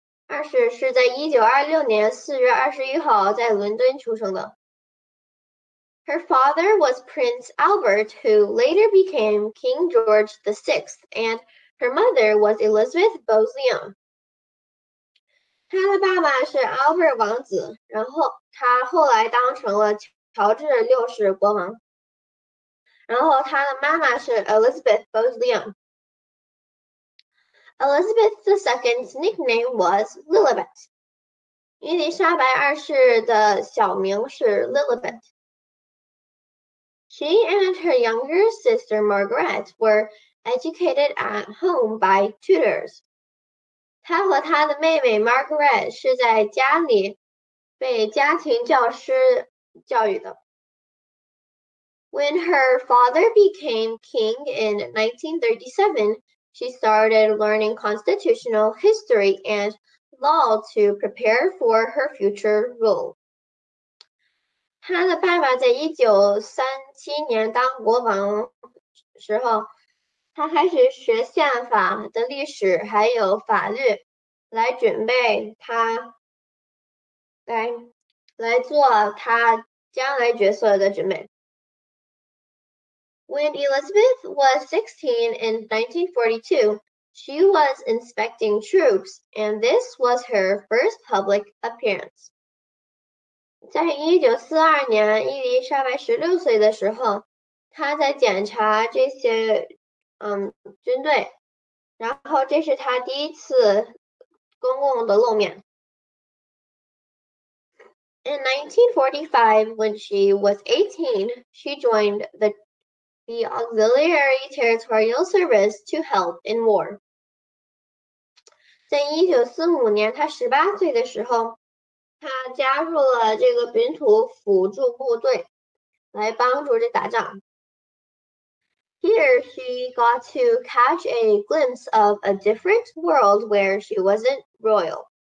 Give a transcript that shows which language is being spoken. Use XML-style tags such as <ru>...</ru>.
<zh>二世是在1926年4月21号在伦敦出生的。</zh> <en>Her father was Prince Albert, who later became King George VI, and her mother was Elizabeth Beauseon.</en> <zh>她的爸爸是 Albert 王子，然后她后来当成了乔治六世国王。然后她的妈妈是 Elizabeth Beauseon。</zh> <en>Elizabeth II's nickname was Lilibet.</en> <zh>伊丽莎白二世的小名是 Lilibet。</zh> <en>She and her younger sister Margaret were educated at home by tutors.</en> <zh>她和她的妹妹 Margaret 是在家里被家庭教师教育的。</zh> <en>When her father became king in 1937, she started learning constitutional history and law to prepare for her future rule.</en> <zh>他的爸爸在1937年当国王时候，他开始学宪法的历史还有法律，来准备他来做他将来角色的准备。</zh> <en>When Elizabeth was 16 in 1942, she was inspecting troops, and this was her first public appearance.</en> <zh>在1942年，伊丽莎白16岁的时候，她在检查这些军队，然后这是她第一次公共的露面。</zh> <en>In 1945, when she was 18, she joined the Auxiliary Territorial Service to help in war.</en> <zh>在1945年，她18岁的时候，他加入了这个本土辅助部队，来帮助这打仗。</zh> <en>Here she got to catch a glimpse of a different world where she wasn't royal.</en>